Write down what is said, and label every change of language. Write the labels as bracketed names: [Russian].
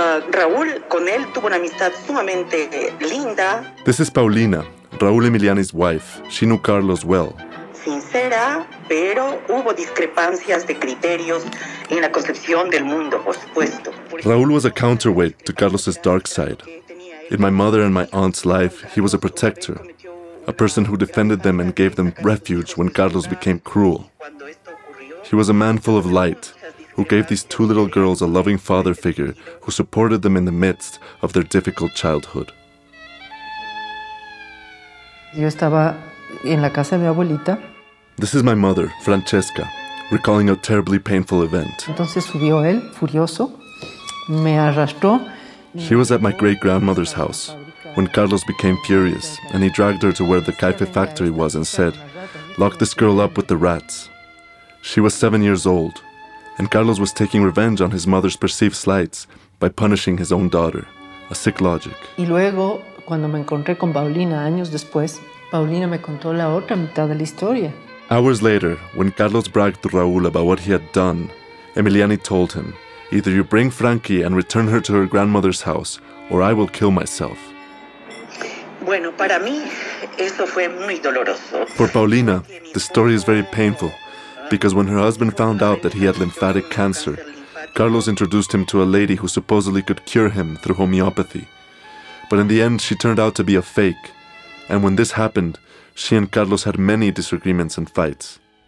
[Spanish] Raúl, con él, tuvo una amistad sumamente linda. [English] This is Paulina, Raúl Emiliani's wife. She knew Carlos well. [Spanish] Sincera, pero hubo discrepancias de criterios en la concepción del mundo, por supuesto. [English] Raúl was a counterweight to Carlos's dark side. In my mother and my aunt's life, he was a protector, a person who defended them and gave them refuge when Carlos became cruel. He was a man full of light, who gave these two little girls a loving father figure who supported them in the midst of their difficult childhood. [Spanish] Yo estaba en la casa de mi abuelita. [English] This is my mother, Francesca, recalling a terribly painful event. [Spanish] Entonces subió él, furioso, me arrastró. [English] She was at my great-grandmother's house when Carlos became furious, and he dragged her to where the Caife factory was and said, "Lock this girl up with the rats." She was 7 years old, and Carlos was taking revenge on his mother's perceived slights by punishing his own daughter, a sick logic. [Spanish] Y luego, cuando me encontré con Paulina años después, Paulina me contó la otra mitad de la historia. [English] Hours later, when Carlos bragged to Raúl about what he had done, Emiliani told him, "Either you bring Frankie and return her to her grandmother's house, or I will kill myself." [Spanish] Bueno, para mí, eso fue muy doloroso. [English] For Paulina, the story is very painful, because when her husband found out that he had lymphatic cancer, Carlos introduced him to a lady who supposedly could cure him through homeopathy. But in the end, she turned out to be a fake. And when this happened, she and Carlos had many disagreements and fights.